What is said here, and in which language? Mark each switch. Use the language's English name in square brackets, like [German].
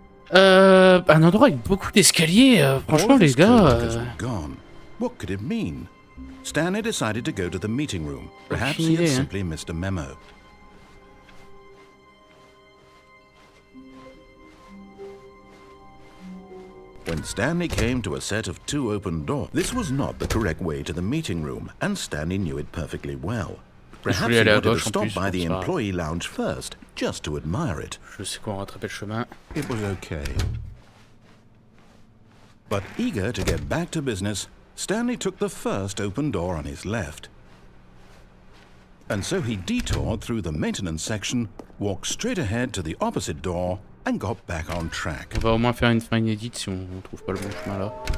[French] Un endroit avec beaucoup d'escaliers, franchement, les gars. [English] What could it mean? Stanley decided to go to the meeting room. Perhaps he had simply missed a memo. When Stanley came to a set of two open doors, this was not the correct way to the meeting room, and Stanley knew it perfectly well. Perhaps he wanted to stop by the employee lounge first, just to admire it. [French] Je sais quoi, on rattrapait le chemin. [English] It was okay. But eager to get back to business, Stanley took the first open door on his left. And so he detoured through the maintenance section, walked straight ahead to the opposite door, and got back on track. [French] On va au moins faire une fin inédite si on trouve pas le bon chemin là.